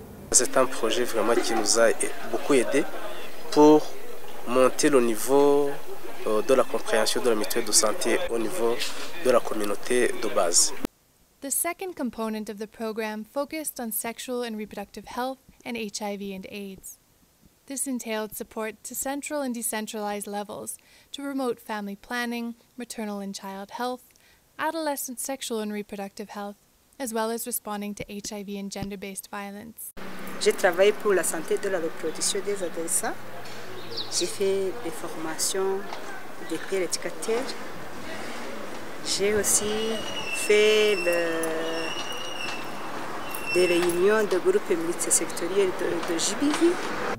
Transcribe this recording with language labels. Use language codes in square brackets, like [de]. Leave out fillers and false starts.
[fr] C'est un projet vraiment qui nous a beaucoup aidé pour monter le niveau de la compréhension de la méthode de santé au niveau de la communauté de base. [en] The second component of the program focused on sexual and reproductive health and HIV and AIDS. This entailed support to central and decentralized levels to promote family planning, maternal and child health, adolescent sexual and reproductive health, as well as responding to HIV and gender-based violence. [fr] J'ai travaillé pour la santé de la reproduction des adolescents. J'ai fait des formations de peer éducateur. J'ai aussi fait des réunions de groupes multisectoriels de GBV.